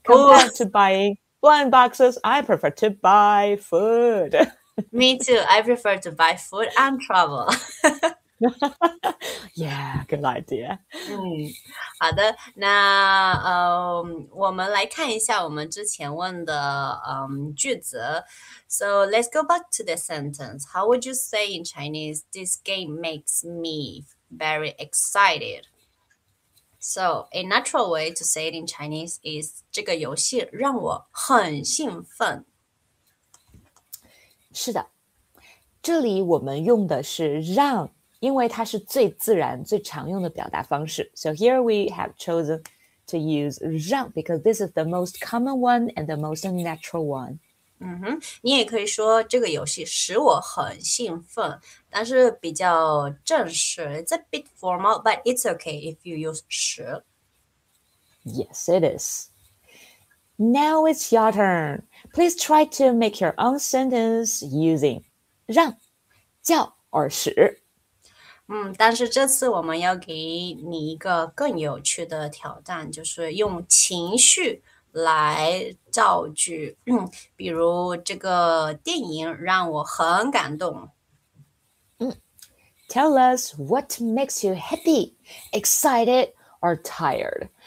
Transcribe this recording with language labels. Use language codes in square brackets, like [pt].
[en] Compared to buying blind boxes, I prefer to buy food. Me too. I prefer to buy food and travel. Yeah, good idea. [zh] 好的，那我们来看一下我们之前问的句子。 [en] So let's go back to the sentence. How would you say in Chinese, this game makes me very excited? So a natural way to say it in Chinese is [zh] 这个游戏让我很兴奋。是的，这里我们用的是"让"，因为它是最自然、最常用的表达方式。 [en] So here we have chosen to use "让" because this is the most common one and the most natural one. [zh] 你也可以说这个游戏使我很兴奋，但是比较正式， [en] It's a bit formal, but it's okay if you use [zh] 使。 [en] Yes, it is. Now it's your turn. Please try to make your own sentence using 让、叫而使。 [zh] 但是这次我们要给你一个更有趣的挑战，就是用情绪来造句，比如这个电影让我很感动。 [en] Tell us what makes you happy, excited, or tired.